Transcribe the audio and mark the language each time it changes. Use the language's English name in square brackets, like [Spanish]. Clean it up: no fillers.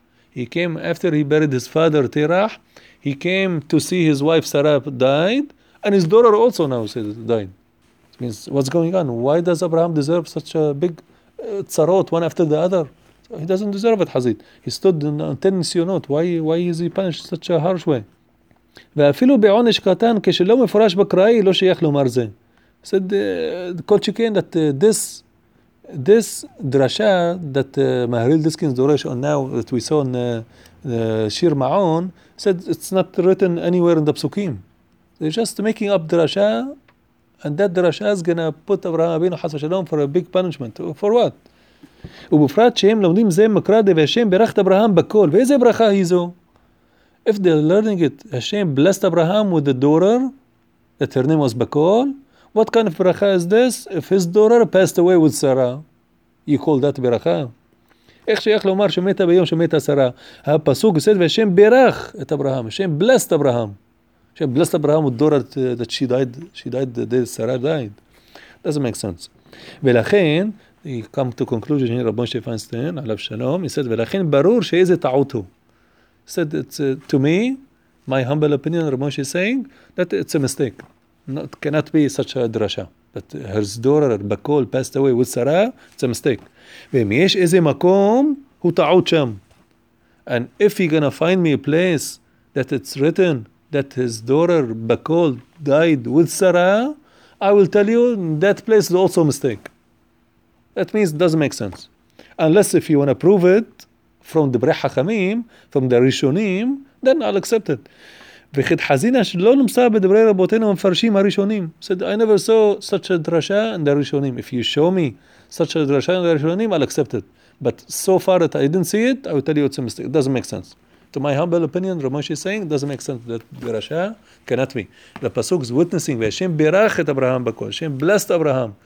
[English] He came after he buried his father Terah. He came to see his wife Sarah died, and his daughter also now says died. It means what's going on? Why does Abraham deserve such a big tzarot one after the other? He doesn't deserve it, Hazid. He stood in a 10 Sionot. Why is he punished such a harsh way? [Hebrew] ואפילו בעונש קטן, כשלא מפורש בקראי, לא שייך לומר זה. [English] Said, כל שכן, that this drasha that Maharil Diskin's Doresh on now, that we saw in Shir Ma'on, said it's not written anywhere in the Psukim. They're just making up drasha, and that drasha is going to put Abraham Abinu Hasva Shalom for a big punishment. For what? [Hebrew] ובפרט שהם לומדים זה מקרא דבי השם ברכת אברהם בכל ואיזה ברכה היא זו? [English] If they're learning it, השם blessed Abraham with the daughter that her name was בכל, what kind of ברכה is this? If his daughter passed away with Sarah, you call that ברכה? [Hebrew] איך שייך לומר שמתה ביום שמתה שרה? הפסוק יוסד והשם ברך את אברהם, [English] השם blessed Abraham, השם blessed Abraham with daughter that she died the day Sarah died. Doesn't make sense. ולכן he come to conclusion here, Rabbi Moshe Feinstein, alav shalom. He said, [Hebrew] "V'lachin barur she'ez ta'utu." [English] Said it's to me, my humble opinion. Rabbi Moshe is saying that it's a mistake. Not cannot be such a drasha that her daughter Bakol passed away with Sarah. It's a mistake. [Hebrew] V'miyesh eze makom hu ta'ut sham. [English] And if he gonna find me a place that it's written that his daughter Bakol died with Sarah, I will tell you that place is also a mistake. That means it doesn't make sense. Unless if you want to prove it from the Brei Chachamim, from the Rishonim, then I'll accept it. [Hebrew] וחד חזינה שלא נמצא בדברי רבותינו המפרשים הראשונים. [English] Said, I never saw such a drasha in the Rishonim. If you show me such a drasha in the Rishonim, I'll accept it. But so far that I didn't see it, I will tell you it's a mistake. It doesn't make sense. To my humble opinion, Ramosh is saying, it doesn't make sense that drasha cannot be. The Pasuk is witnessing, [Hebrew] Hashem birach et Abraham bakol, [English] Hashem blessed Abraham.